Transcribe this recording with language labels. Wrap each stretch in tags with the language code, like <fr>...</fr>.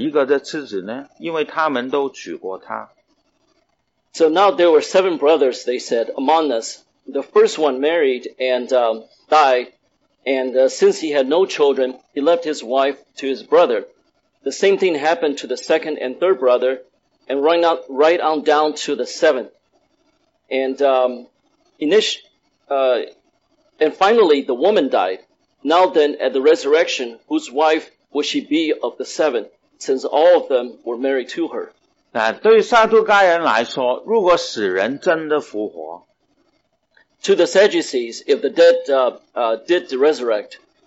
<zh>他们呢就问耶稣说：“从前在我们这里有弟兄七人，第一个娶了妻子，没有孩子，撇下次子给兄弟；第二、第三，直到第七个，都是如此。末后妇人也死了。这样当复活的时候，他是七个人当哪一个的次子呢？因为他们都娶过他。”</zh> <en>So now there were seven brothers, they said, among us. The first one married and died, and since he had no children, he left his wife to his brother. The same thing happened to the second and third brother, and right on down to the seventh. And finally, the woman died. Now then, at the resurrection, whose wife would she be of the seven, since all of them were married to her?</en> <zh>对于撒都该人来说，如果死人真的复活，</zh> <en>To the Sadducees, if the dead did resurrect,</en>